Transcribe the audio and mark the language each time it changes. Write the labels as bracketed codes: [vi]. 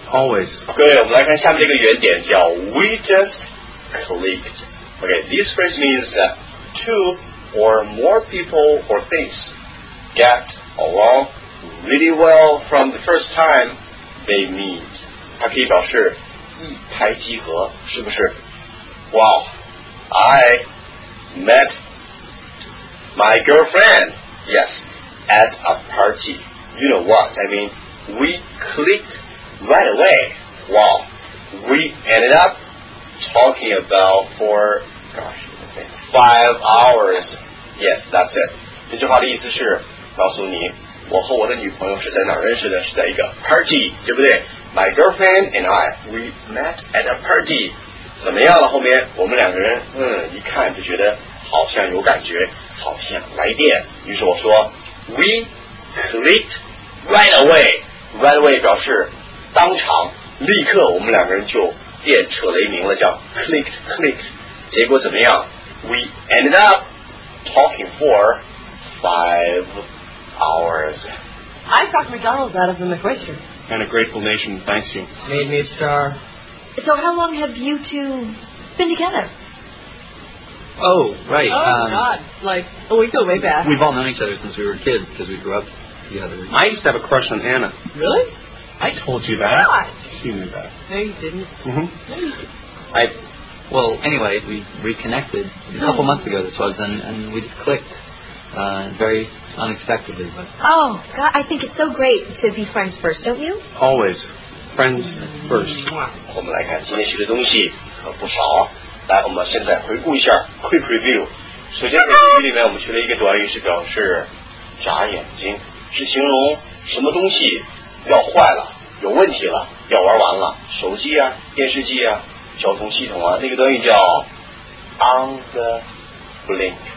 [en] Always. [zh] 各位，我们来看下面这个原点叫 [en] We just clicked. Okay, this phrase means two or more people or things get along really well from the first time they meet. [zh] 它可以表示一拍即合，是不是？ [en] Wow, I met my girlfriend. Yes. At a party. You know what? I mean, we clicked right away. Wow. We ended up talking about for, gosh, 5 hours. Yes, that's it. [zh] 这句话的意思是告诉你我和我的女朋友是在哪认识的，是在一个 party, 对不对？ [en] My girlfriend and I, we met at a party. [zh] 怎么样了？后面我们两个人一看就觉得好像有感觉，好像来电。于是我说 We clicked right away. Right away 表示当场，立刻我们两个人就便扯了一名了，叫 clicked clicked。结果怎么样 ？ [en] We ended up talking for 5 hours. I talked McDonald's out of the question. And a grateful nation thanks you. Made me a star. So how long have you two been together? Oh, right. Oh, God. Like, oh, we go way back. We've all known each other since we were kids because we grew up together. I used to have a crush on Anna. Really? I told you that. God. She knew that. No, you didn't. Mm-hmm. Well, anyway, we reconnected a couple months ago, this was, and we just clicked very unexpectedly. But. Oh, God, I think it's so great to be friends first, don't you? Always. Friends first. [zh] 我们来看今天学的东西可不少。来，我们现在回顾一下 quick review。首先，在英语里面，我们学了一个短语是表示眨眼睛，是形容什么东西要坏了、有问题了、要玩完了，手机啊、电视机啊、交通系统啊，那个短语叫 on the blink。